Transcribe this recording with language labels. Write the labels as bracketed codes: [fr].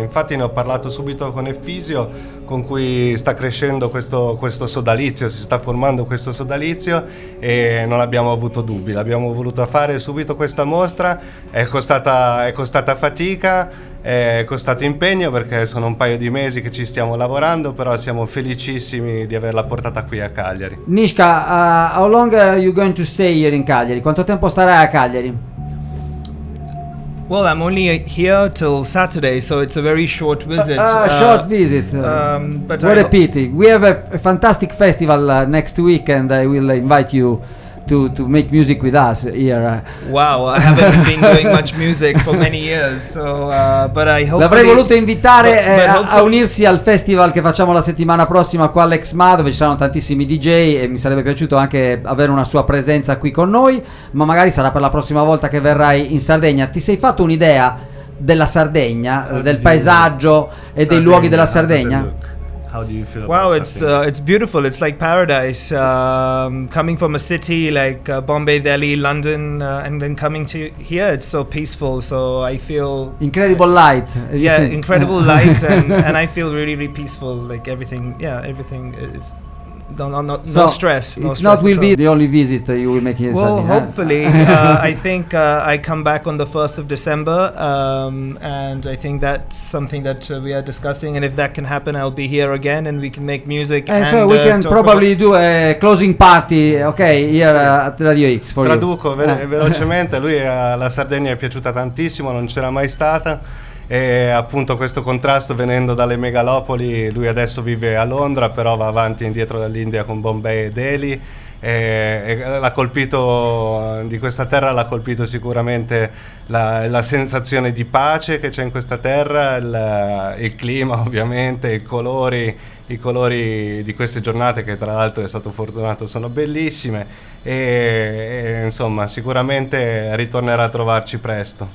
[it] Infatti ne ho parlato subito con Effisio, con cui sta crescendo questo sodalizio, si sta formando questo sodalizio, e non abbiamo avuto dubbi, l'abbiamo voluto fare subito questa mostra. È costata fatica, è costato impegno, perché sono un paio di mesi che ci stiamo lavorando, però siamo felicissimi di averla portata qui a Cagliari. [en] Nishka, how long are you going to stay here in Cagliari? [it] Quanto tempo starai a Cagliari? [en] Well, I'm only here till Saturday, so it's a very short visit. Short visit. What a pity. We have a fantastic festival next week, and I will invite you to make music with us here. Wow, I haven't been doing much music for many years, so but I hope. [it] L'avrei voluto invitare a unirsi al festival che facciamo la settimana prossima qua all'Exma, dove ci saranno tantissimi DJ, e mi sarebbe piaciuto anche avere una sua presenza qui con noi, ma magari sarà per la prossima volta che verrai in Sardegna. Ti sei fatto un'idea della Sardegna, del paesaggio e dei luoghi della Sardegna? [en] How do you feel? Wow, it's beautiful. It's like paradise. Coming from a city like Bombay, Delhi, London, and then coming to here, it's so peaceful. So I feel incredible light. Yeah, incredible light, and I feel really, really peaceful. Like everything. Yeah, everything is. No stress. Not will be the only visit you will make here. Well, hopefully. I think I come back on the 1st of December. And I think that's something that we are discussing. And if that can happen, I'll be here again and we can make music. And so we can probably do a closing party, okay, here at Radio X for [it] Traduco [en] you. [it] Traduco velocemente. Lui la Sardegna è piaciuta tantissimo, non c'era mai stata. E appunto questo contrasto venendo dalle megalopoli, lui adesso vive a Londra però va avanti e indietro dall'India con Bombay e Delhi e l'ha colpito, di questa terra l'ha colpito sicuramente la sensazione di pace che c'è in questa terra, il clima ovviamente, i colori di queste giornate che tra l'altro è stato fortunato sono bellissime e insomma sicuramente ritornerà a trovarci presto.